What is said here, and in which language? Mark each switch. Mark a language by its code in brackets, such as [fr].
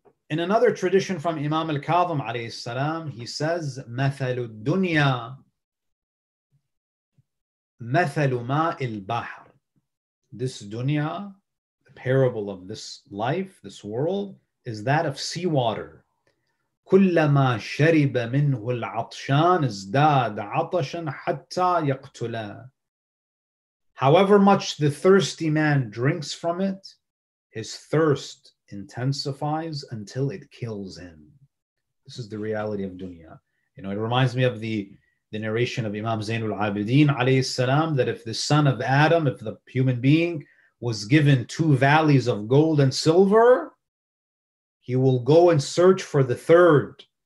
[en] In another tradition from Imam al-Kadhim alayhi salam, he says, [ar] مَثَلُ الدُّنْيَا مَثَلُ مَاءِ الْبَحْرِ. [en] This dunya, the parable of this life, this world, is that of seawater. [ar] كُلَّمَا شَرِبَ مِنْهُ الْعَطْشَانِ ازْدَادَ عَطَشًا حَتَّى يَقْتُلَا. [en] However much the thirsty man drinks from it, his thirst intensifies until it kills him. This is the reality of dunya. You know, it reminds me of the narration of Imam Zainul Abidin alayhi salam, that if the son of Adam, if the human being was given two valleys of gold and silver, he will go and search for the third.